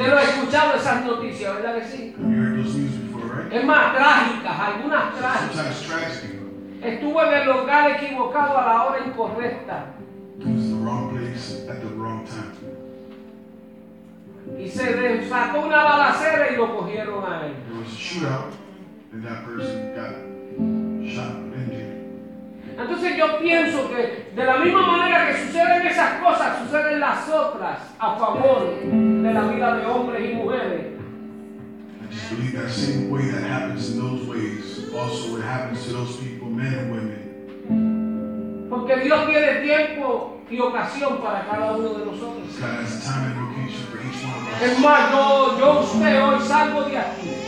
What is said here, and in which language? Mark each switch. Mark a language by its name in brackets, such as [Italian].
[Spanish] ¿Usted lo ha escuchado esas noticias, verdad que sí? [English] Have you heard those news before, right? [Spanish] Es más, trágicas, algunas trágicas. [English] Sometimes tragic. [Spanish] Estuvo en el lugar equivocado a la hora incorrecta. [English] Was the wrong place at the wrong time. [Spanish] Y se desató una balacera y lo cogieron a él. [English] There was a shootout and that person got shot and injured. [Spanish] Entonces yo pienso que de la misma manera que suceden esas cosas, suceden las otras a favor de la vida de hombres y mujeres. [English] I just believe that same way that happens in those ways, also what happens to those people, men and women. [Spanish] Porque Dios tiene tiempo y ocasión para cada uno de nosotros. [English] God has time and location for each one of us. [Spanish] Es más, yo usted hoy salgo de aquí.